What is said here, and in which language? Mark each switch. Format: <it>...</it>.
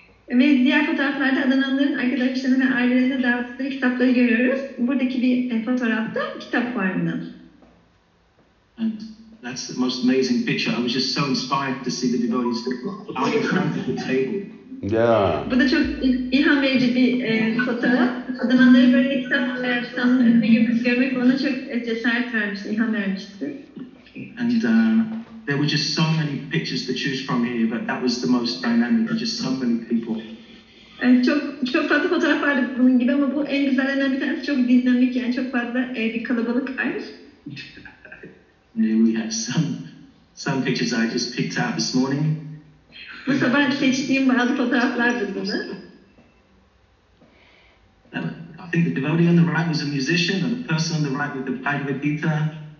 <tr>Ve diğer fotoğraflarda adananların arkadaşlarına ve ailelerine dağıttığı kitapları görüyoruz. Buradaki bir fotoğrafta kitap fuarından.</tr> <en>And that's the most amazing picture. I was just so inspired to see the devotees out in front of the table. Yeah.</en> <tr>Bu da çok ilham verici bir fotoğraf. Adananları böyle kitap fuarının önünde görmek bana çok cesaret vermişti, ilham vermişti.</tr> <en>And there were just so many pictures to choose from here, but that was the most dynamic. Just so many people.</en> <tr>Çok fazla fotoğraf vardı bunun gibi ama bu en güzellerinden bir tanesi çok dinamik yani çok fazla bir kalabalık var.</tr> <en>We had some pictures I just picked out this morning.</en> <tr>Bu sabah seçtiğim bazı fotoğraflardı bunlar.</tr> <en>I think the devotee on the right was a musician, and the person on the right with the Bhagavad Gita.</en>